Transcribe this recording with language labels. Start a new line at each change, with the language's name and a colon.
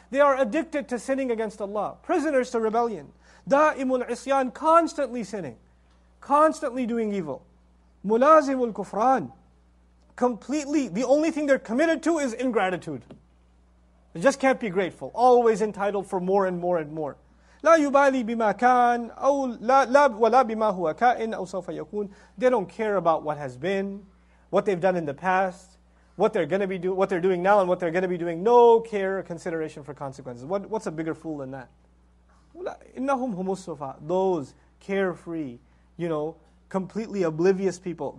English: They are addicted to sinning against Allah. Prisoners to rebellion.
Arabic: Da'imul isyan,
English: constantly sinning. Constantly doing evil.
Arabic: Mulazimul kufran,
English: completely, the only thing they're committed to is ingratitude. They just can't be grateful. Always entitled for more and more and more.
Arabic: لا يبالي بما كان أو لا لا ولا بما هو كائن أو سوف يكون.
English: They don't care about what has been, what they've done in the past, what they're gonna be doing, what they're doing now, and what they're gonna be doing. No care or consideration for consequences. What's a bigger fool than that?
Arabic: إنهم هم السفهاء.
English: Those carefree, you know, completely oblivious people.